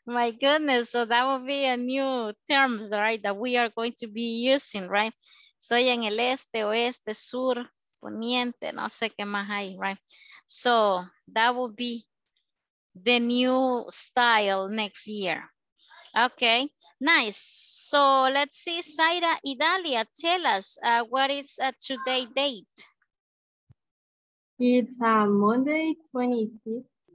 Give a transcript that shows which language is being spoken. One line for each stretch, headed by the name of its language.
English: My goodness, so that will be a new term, right? That we are going to be using, right?
Spanish: Soy en el este, oeste, sur, poniente, no sé qué más hay, right?
English: So that will be the new style next year. Okay, nice. So let's see, Zaira y Dalia, tell us what is a today date? It's Monday 26th.